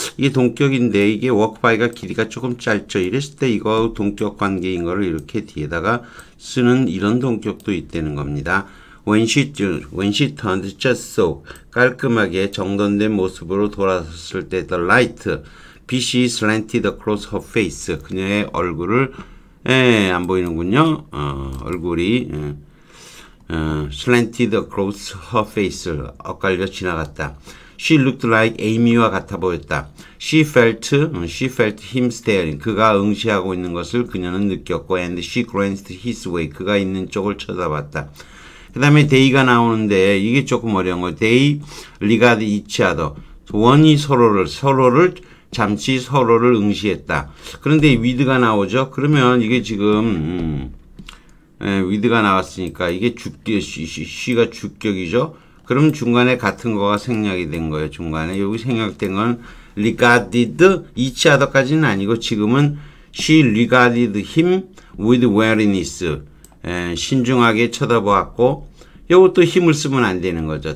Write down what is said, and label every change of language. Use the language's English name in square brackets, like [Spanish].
[Korean] 이게 동격인데, 이게 [English] walk by [Korean] 가 길이가 조금 짧죠. 이랬을 때 이거 동격 관계인 거를 이렇게 뒤에다가 쓰는 이런 동격도 있다는 겁니다. [English] When she turned just so. [Korean] 깔끔하게 정돈된 모습으로 돌아섰을 때, [English] the light. [Korean] 빛이 [English] slanted across her face. [Korean] 그녀의 얼굴을 예, 안 보이는군요. 얼굴이 [English] slanted across her face. [Korean] 엇갈려 지나갔다. [English] She looked like Amy와 [Korean] 같아 보였다. [English] She felt him staring. [Korean] 그가 응시하고 있는 것을 그녀는 느꼈고, [English] and she glanced his way. [Korean] 그가 있는 쪽을 쳐다봤다. 그 다음에 they가 나오는데 이게 조금 어려운 거예요. [English] They regard each other. [Korean] 원이 서로를 잠시 서로를 응시했다. 그런데 with가 나오죠. 그러면 이게 지금 with가 나왔으니까 이게 주격, she가 주격이죠. 그럼 중간에 같은 거가 생략이 된 거예요. 중간에 여기 생략된 건 [English] regarded each other [Korean] 까지는 아니고 지금은 [English] she regarded him with wariness. [Korean] 신중하게 쳐다보았고, 요것도 him을 쓰면 안 되는 거죠.